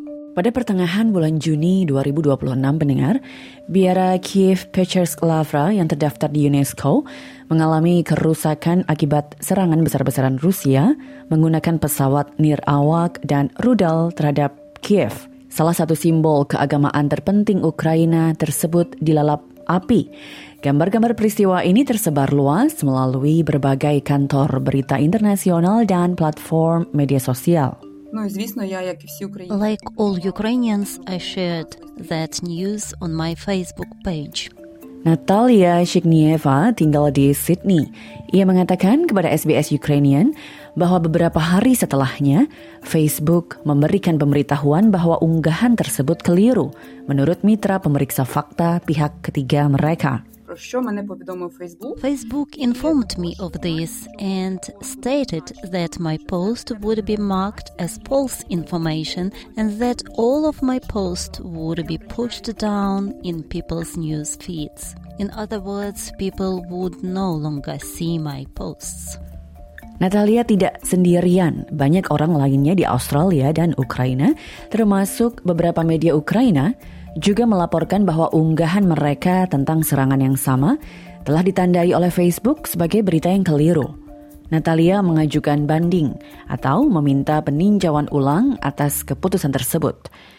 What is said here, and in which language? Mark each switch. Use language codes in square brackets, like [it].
[id] Pada pertengahan bulan Juni 2026, pendengar, Biara Kiev Pechersk Lavra yang terdaftar di UNESCO mengalami kerusakan akibat serangan besar-besaran Rusia menggunakan pesawat nirawak dan rudal terhadap Kiev. Salah satu simbol keagamaan terpenting Ukraina tersebut dilalap api. Gambar-gambar peristiwa ini tersebar luas melalui berbagai kantor berita internasional dan platform media sosial. [en] Like all Ukrainians, I shared that news on my Facebook page. [id] Natalia Shignieva tinggal di Sydney. Ia mengatakan kepada SBS Ukrainian bahwa beberapa hari setelahnya, Facebook memberikan pemberitahuan bahwa unggahan tersebut keliru menurut mitra pemeriksa fakta pihak ketiga mereka. [en] Facebook informed me of this and stated that my post would be marked as false information and that all of my posts would be pushed down in people's news feeds. In other words, people would no longer see my posts. [id] Natalia tidak sendirian, banyak orang lainnya di Australia dan Ukraina, termasuk beberapa media Ukraina, juga melaporkan bahwa unggahan mereka tentang serangan yang sama telah ditandai oleh Facebook sebagai berita yang keliru. Natalia mengajukan banding atau meminta peninjauan ulang atas keputusan tersebut.